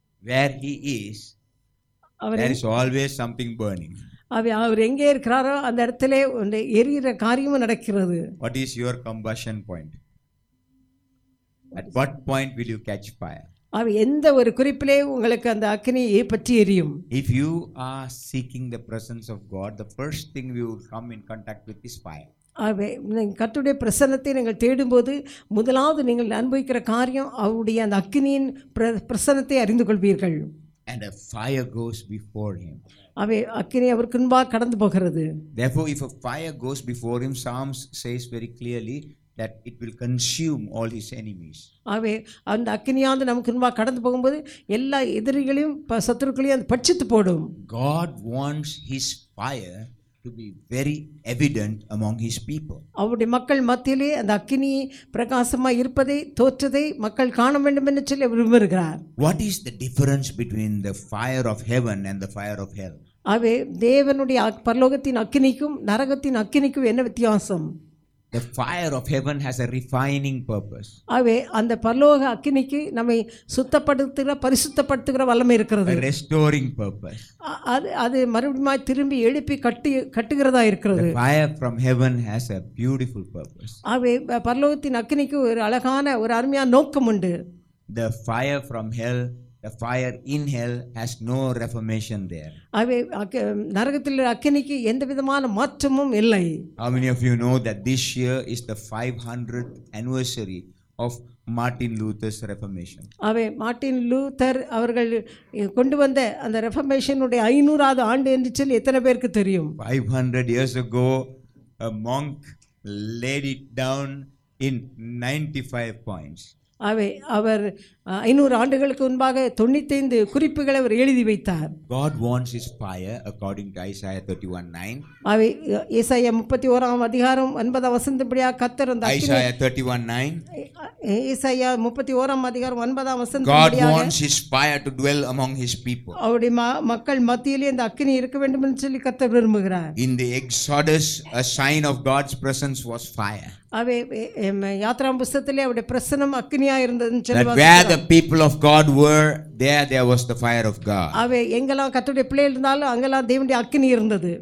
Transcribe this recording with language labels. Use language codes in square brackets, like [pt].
[en] Where he is, there is always something burning. [ta] அவர் எங்கே இருக்கிறாரோ அந்த இடத்துல எரியிற காரியமும் நடக்கிறது. [en] What is your combustion point? At what point will you catch fire? [ta] அவர் எந்த ஒரு குறிப்பிலே உங்களுக்கு அந்த அக்னி ஏற்றி எரியும்? [en] If you are seeking the presence of God, the first thing you will come in contact with is fire. [ta] அவே கர்த்தருடைய பிரசன்னத்தை நீங்கள் தேடும்போது முதலாவது நீங்கள் அனுபவிக்கிற காரியம் அவருடைய அந்த அக்னியின் பிரசன்னத்தை அறிந்து கொள்வீர்கள். [en] And a fire goes before him. [ta] அவே அக்னி அவருக்கு முன்பாக கடந்து போகிறது. [en] Therefore if a fire goes before him, Psalms says very clearly that it will consume all his enemies. [ta] அவே அந்த அக்னியானது நமக்கு முன்பாக கடந்து போகும்போது எல்லா எதிரிகளையும் சத்துருக்களையும் பட்சித்து போடும். [en] God wants his fire to be very evident among his people. [ta] அவருடைய மக்கள் மத்தியிலே அந்த அக்கினி பிரகாசமாய் இருப்பதை தோற்றதை மக்கள் காண வேண்டும் என்று சொல்லி விரும்புகிறார். [en] What is the difference between the fire of heaven and the fire of hell? [ta] அவே தேவனுடைய பரலோகத்தின் அக்கினிக்கும் நரகத்தின் அக்கினிக்கும் என்ன வித்தியாசம்? [en] The fire of heaven has a refining purpose. [ta] அவே அந்த பரலோக அக்கினிக்கு நம்மை சுத்தப்படுத்துகிற பரிசுத்தப்படுத்துகிற வல்லமை இருக்கிறது. [en] A restoring purpose. [ta] அது மறுபடியும் திரும்பி எழுப்பி கட்டுகிறதா இருக்கிறது. [en] The fire from heaven has a beautiful purpose. [ta] அவே பரலோகத்தின் அக்கினிக்கு ஒரு அழகான ஒரு அருமையான நோக்கம் உண்டு. [en] The fire from hell, the fire in hell has no reformation there. [ta] அவே நரகத்தில் அக்கினிக்கு எந்த விதமான மாற்றமும் இல்லை. [en] How many of you know that this year is the 500th anniversary of Martin Luther's reformation? [ta] Away Martin Luther அவர்கள் கொண்டு வந்த அந்த ரெஃபர்மேஷனுடைய 500th ஆண்டு என்று சொல்லி எத்தனை பேருக்கு தெரியும்? [en] 500 years ago a monk laid it down in 95 points. [ta] அவை அவர் 500 ஆண்டுகளுக்கு முன்பாக 95 குறிப்புகளை அவர் எழுதி வைத்தார். [en] God wants his fire according to Isaiah 31:9. [ta] அவை ஏசாயா 31 அதிகாரம் 9 வசனத்தின்படியாக கர்த்தர் அந்த ஏசாயா 31:9 ஏசாயா 31 அதிகாரம் 9 வசனத்தின்படியாக [en] God wants his fire to dwell among his people. [ta] அவருடைய மக்கள் மத்தியிலே அந்த அக்கினி இருக்க வேண்டும் என்று சொல்லி கர்த்தர் விரும்புகிறார். [en] In the Exodus a sign of God's presence was fire. [ta] அவை யாத்ரா புத்தகத்திலே அவருடைய பிரசன்னம் அக்னியாய் இருந்ததுன்னு சொல்லுவாங்க. [en] The people of God were there was the fire of God. [ta] அவே எங்கெல்லாம் கர்த்தருடைய பிள்ளை இருந்தாலும் அங்கெல்லாம் தேவனுடைய அக்கினி இருந்தது.